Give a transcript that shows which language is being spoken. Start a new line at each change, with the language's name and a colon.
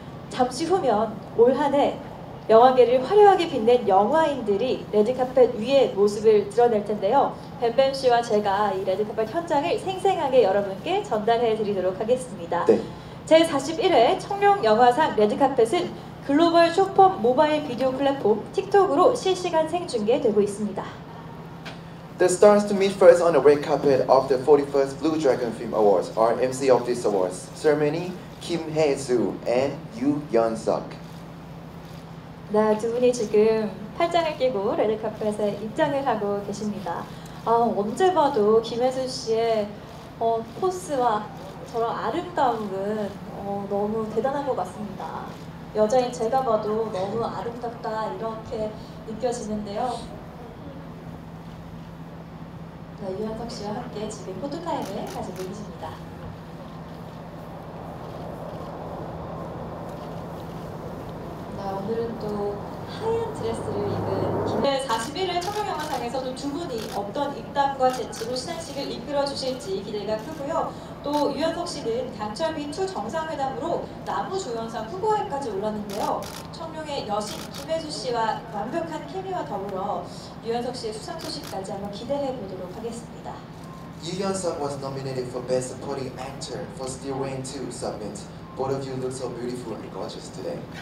Korean: 잠시 후면 올 한해 영화계를 화려하게 빛낸 영화인들이 레드카펫 위에 모습을 드러낼 텐데요. 뱀뱀 씨와 제가 이 레드카펫 현장을 생생하게 여러분께 전달해드리도록 하겠습니다. 네. 제41회 청룡 영화상 레드카펫은 글로벌 쇼폼 모바일 비디오 플랫폼 틱톡으로 실시간 생중계되고 있습니다.
English: The stars to meet first on the red carpet of the 41st Blue Dragon Film Awards are MC of this awards ceremony Kim Hae-soo and Yoo Yeon-suk.
Korean: 네, 두 분이 지금 팔짱을 끼고 레드카펫에 입장을 하고 계십니다. 언제 봐도 김혜수 씨의 포스와 저런 아름다움은 너무 대단한 것 같습니다. 여자인 제가 봐도 너무 아름답다 이렇게 느껴지는데요. 네, 유한석 씨와 함께 지금 포토타임을 가지고 계십니다. 오늘은 또 하얀 드레스를 입은 41회 청룡 영화상에서도 두 분이 어떤 입담과 재치로 시상식을 이끌어 주실지 기대가 크고요. 또 유현석 씨는 강철 B2 정상회담으로 남우주연상 후보에까지 올랐는데요. 청룡의 여신 김혜수 씨와 완벽한 케미와 더불어 유현석 씨의 수상 소식까지 한번 기대해 보도록 하겠습니다.
English: Yoo Yeon-suk was nominated for Best Supporting Actor for Still Rain 2 Submit. Both of you look so beautiful and gorgeous today.